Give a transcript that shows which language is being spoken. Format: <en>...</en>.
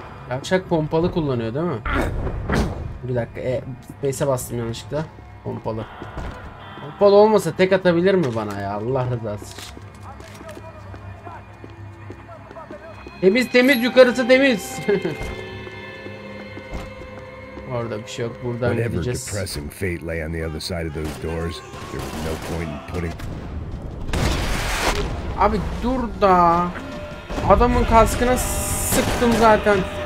<tr>Yavşak pompalı kullanıyor değil mi? Bir dakika, space'e bastım yanlışlıkla. Pompalı. Pompalı olmasa tek atabilir mi bana ya? Allah rızası için. Temiz temiz, yukarısı temiz. Orada bir şey yok, buradan gideceğiz.</tr> <en>Whatever depressing fate lay on the other side of those doors, there was no point in putting.</en> <tr>Abi dur da. Adamın kaskına sıktım zaten.</tr>